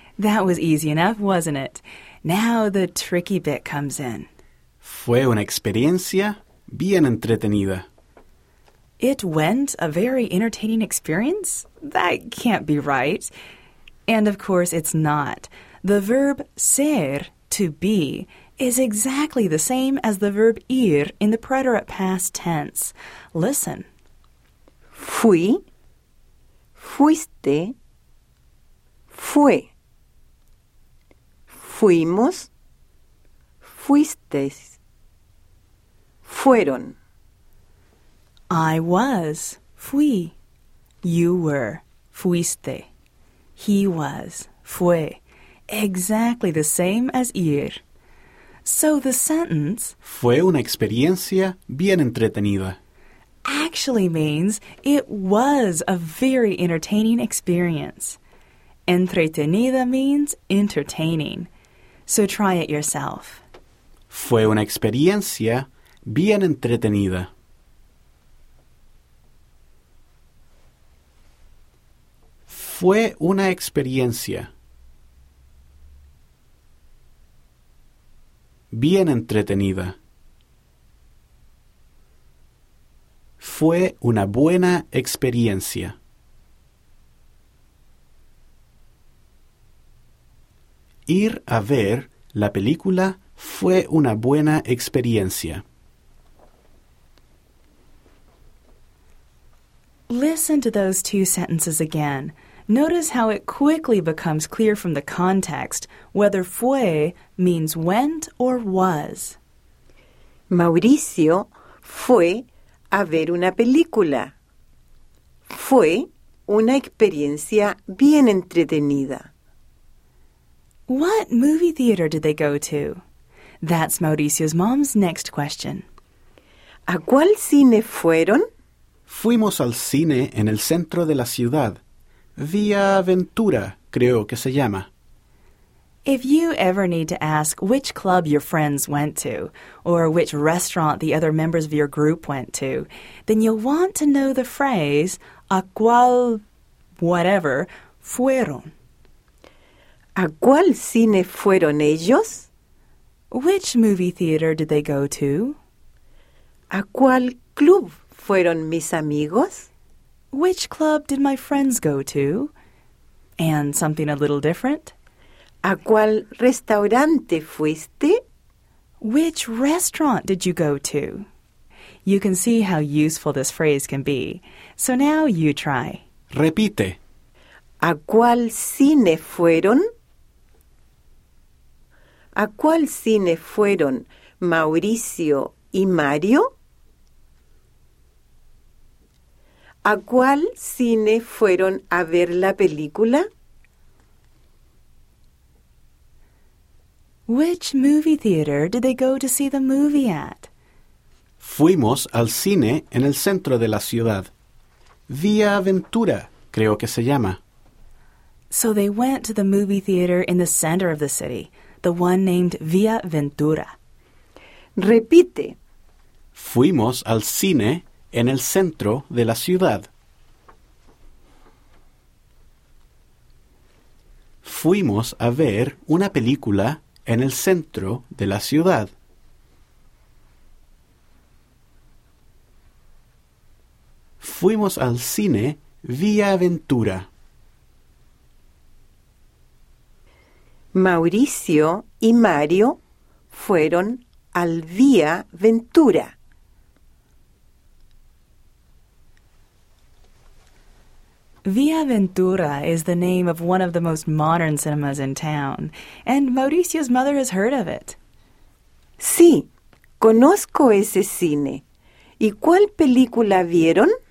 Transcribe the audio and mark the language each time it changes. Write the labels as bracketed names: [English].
[English] That was easy enough, wasn't it? Now the tricky bit comes in. [Spanish] Fue una experiencia bien entretenida. [English] It went a very entertaining experience? That can't be right. And of course it's not. The verb ser, to be, is exactly the same as the verb ir in the preterite past tense. Listen. [Spanish] Fui, fuiste, fue. Fuimos, fuisteis, fueron. [English] I was, fui. You were, fuiste. He was, fue. Exactly the same as ir. So the sentence, [Spanish] fue una experiencia bien entretenida, [English] actually means it was a very entertaining experience. Entretenida means entertaining. So try it yourself. [Spanish] Fue una experiencia bien entretenida. Fue una experiencia bien entretenida. Fue una buena experiencia. Ir a ver la película fue una buena experiencia. [English] Listen to those two sentences again. Notice how it quickly becomes clear from the context whether fue means went or was. [Spanish] Mauricio fue a ver una película. Fue una experiencia bien entretenida. [English] What movie theater did they go to? That's Mauricio's mom's next question. [Spanish] ¿A cuál cine fueron? Fuimos al cine en el centro de la ciudad. Via Ventura, creo que se llama. [English] If you ever need to ask which club your friends went to, or which restaurant the other members of your group went to, then you'll want to know the phrase, [Spanish] a cual, [English] whatever, fueron. [Spanish] ¿A cuál cine fueron ellos? [English] Which movie theater did they go to? [Spanish] ¿A cuál club fueron mis amigos? [English] Which club did my friends go to? And something a little different. [Spanish] ¿A cuál restaurante fuiste? [English] Which restaurant did you go to? You can see how useful this phrase can be. So now you try. [Spanish] Repite. ¿A cuál cine fueron? ¿A cuál cine fueron Mauricio y Mario? ¿A cuál cine fueron a ver la película? [English] Which movie theater did they go to see the movie at? [Spanish] Fuimos al cine en el centro de la ciudad. Vía Aventura, creo que se llama. [English] So they went to the movie theater in the center of the city, the one named Vía Ventura. [Spanish] Repite. Fuimos al cine en el centro de la ciudad. Fuimos a ver una película en el centro de la ciudad. Fuimos al cine Vía Aventura. Mauricio y Mario fueron al Vía Ventura. [English] Vía Ventura is the name of one of the most modern cinemas in town, and Mauricio's mother has heard of it. [Spanish] Sí, conozco ese cine. ¿Y cuál película vieron?